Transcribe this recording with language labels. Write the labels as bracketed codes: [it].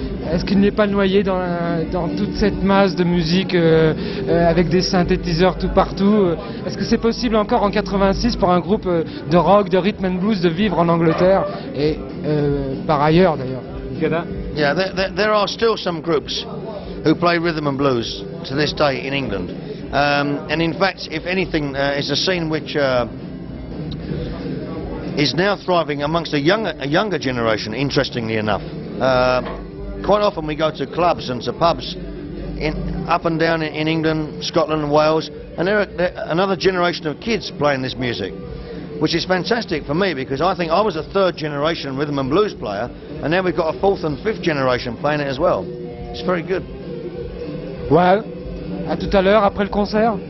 [fr] Est-ce qu'il n'est pas noyé dans toute cette masse de musique avec des synthétiseurs tout partout? Est-ce que c'est possible encore en 86 pour un groupe de rock, de rhythm and blues, de vivre en Angleterre et par ailleurs d'ailleurs? [en] Yeah, there are still some groups who play rhythm and blues to this day in England. And in fact, if anything, it's a scene which is now thriving amongst a younger generation, interestingly enough. Quite often we go to clubs and to pubs up and down in England, Scotland and Wales, and there are another generation of kids playing this music, which is fantastic for me, because I think I was a third generation rhythm and blues player, and now we've got a fourth and fifth generation playing it as well. It's very good. [fr] Well, à tout à l'heure, après le concert.